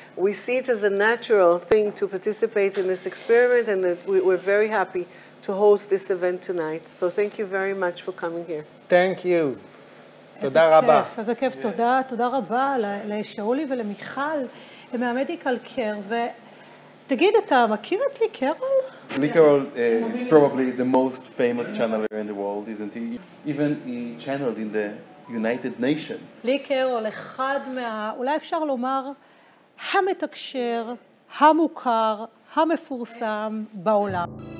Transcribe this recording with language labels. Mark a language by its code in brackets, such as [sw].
[en] We see it as a natural thing to participate in this experiment, and we're very happy to host this event tonight. So thank you very much for coming here. Thank you. [he] תודה רבה. אז הכיף, תודה. תודה רבה לשאולי ולמיכל, מהמדיקל קר. ותגיד, אתה מכיר את לי קרול? [en] לי קרול is probably the most famous channeler in the world, isn't he? Even he channeled in the United Nations. [he] לי קרול, אחד מה... אולי אפשר לומר, המתקשר, המוכר, המפורסם בעולם.